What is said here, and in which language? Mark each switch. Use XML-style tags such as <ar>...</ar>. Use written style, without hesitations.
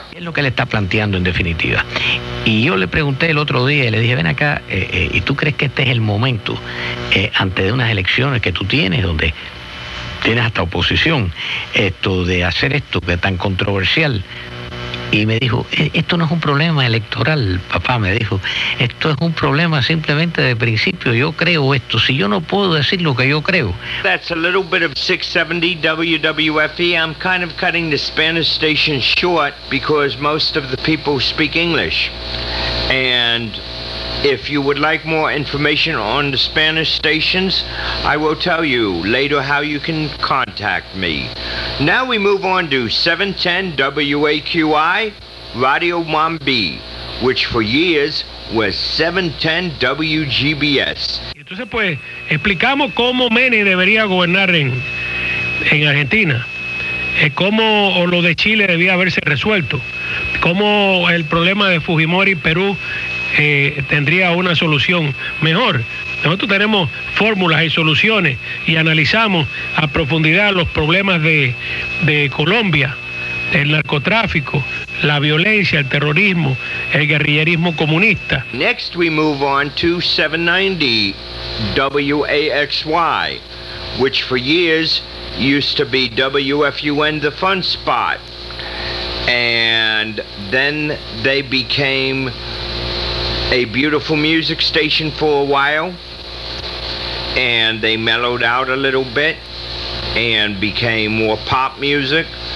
<es>Es lo que él está planteando en definitiva. Y yo le pregunté el otro día, le dije, ven acá, ¿y tú crees que este es el momento antes de unas elecciones que tú tienes donde tienes hasta oposición esto de hacer esto que es tan controversial? Y me dijo, esto no es un problema electoral, papá, me dijo, esto es un problema simplemente de principio, yo creo esto, si yo no puedo decir lo que yo creo.</es> <en>That's a little bit of 670 WWFE. I'm kind of cutting the Spanish station short because most of the people speak English. And if you would like more information on the Spanish stations, I will tell you later how you can contact me. Now we move on to 710 WAQI Radio Mambi, which for years was 710 WGBS.</en> <es>Entonces pues explicamos cómo Menem debería gobernar en Argentina, cómo lo de Chile debía haberse resuelto, cómo el problema de Fujimori Perú tendría una solución mejor. Nosotros tenemos fórmulas y soluciones y analizamos a profundidad los problemas de Colombia, el narcotráfico, la violencia, el terrorismo, el guerrillerismo comunista.</es> <en>Next we move on to 790 WAXY, which for years used to be WFUN, the fun spot. And then they became a beautiful music station for a while, and they mellowed out a little bit and became more pop music.</en>